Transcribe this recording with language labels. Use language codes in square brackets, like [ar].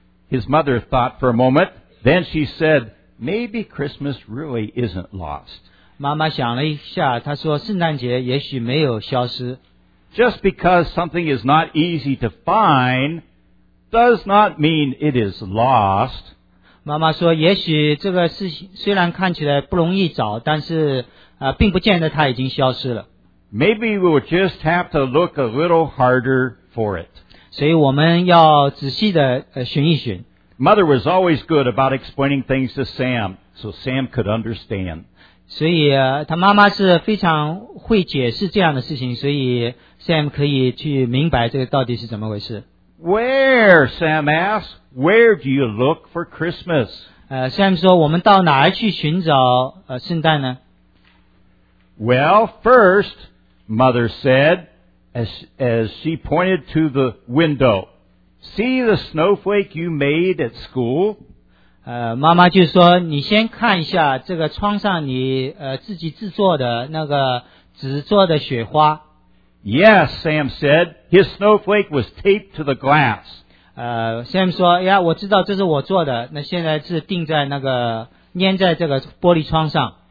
[en] His mother thought for a moment, then she said, maybe Christmas really isn't lost. [zh] 妈妈想了一下，她说圣诞节也许没有消失。 [en] Just because something is not easy to find does not mean it is lost. [zh] 妈妈说也许这个事情虽然看起来不容易找，但是并不见得它已经消失了。 [en] Maybe we'll just have to look a little harder for it. [zh] 所以我们要仔细的寻一寻。 [en] Mother was always good about explaining things to Sam, so Sam could understand. [zh] 所以他妈妈是非常会解释这样的事情，所以 Sam 可以去明白这个到底是怎么回事。 [en] Where, Sam asked, where do you look for Christmas? [zh] Sam 说我们到哪儿去寻找圣诞呢? [en] Well, first, Mother said, as she pointed to the window, see the snowflake you made at school? [zh] 妈妈就说你先看一下这个窗上你自己制作的那个纸做的雪花。 [en] Yes, Sam said, his snowflake was taped to the glass. [zh] Sam 说呀我知道这是我做的那现在是钉在那个粘在这个玻璃窗上。